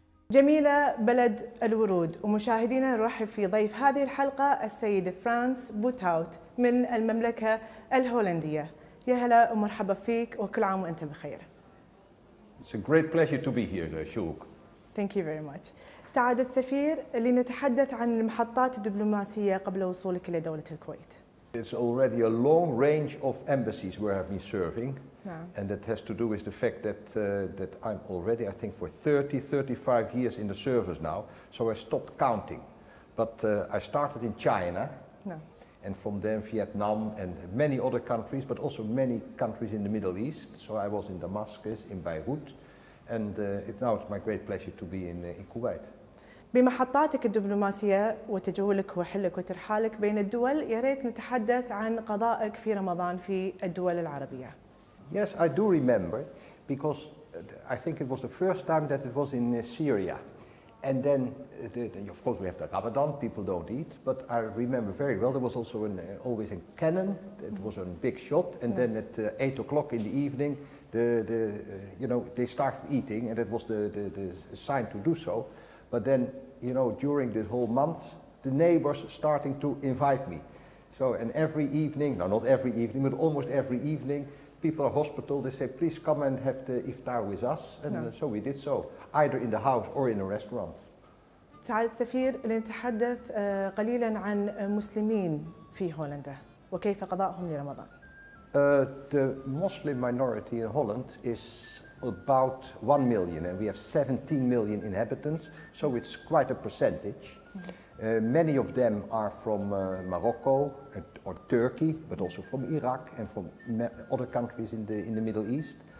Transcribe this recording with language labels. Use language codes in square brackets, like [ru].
[ar] جميلة بلد الورود، ومشاهدينا نرحب في ضيف هذه الحلقة السيد فرانس بوتاوت من المملكة الهولندية. يا هلا ومرحبا فيك وكل عام وانت بخير. [en] It's a great pleasure to be here, Ashok. Thank you very much. [ar] سعادة السفير، لنتحدث عن المحطات الدبلوماسية قبل وصولك إلى دولة الكويت. [en] It's already a long range of embassies where I've been serving. No. And that has to do with the fact that that I'm already, I think, for 30-35 years in the service now, so I stopped counting. But I started in China, no. and from then Vietnam and many other countries, but also many countries in the Middle East. So I was in Damascus, in Beirut, and now it's my great pleasure to be in Kuwait. [ar] بمحطاتك الدبلوماسية وتجولك وحلك وترحالك بين الدول، يا ريت نتحدث عن قضائك في رمضان في الدول العربية. [en] Yes, I do remember, because I think it was the first time that it was in Syria. And then, of course, we have the Ramadan, people don't eat, but I remember very well, there was also always a cannon, it was a big shot, and then at 8 o'clock in the evening, they started eating, and it was the sign to do so. But then, you know, during this whole month, the neighbors starting to invite me. So, and every evening, no, not every evening, but almost every evening, people at hospital, they say, please come and have the iftar with us. And no. So we did so, either in the house or in a restaurant. [ar] سعادة السفير، لنتحدث قليلا عن مسلمين في هولندا وكيف قضاءهم لرمضان. [en] The Muslim minority in Holland is about 1 million and we have 17 million inhabitants. So it's quite a percentage. Many of them are from Morocco or Turkey, but also from Iraq and from other countries in the Middle East.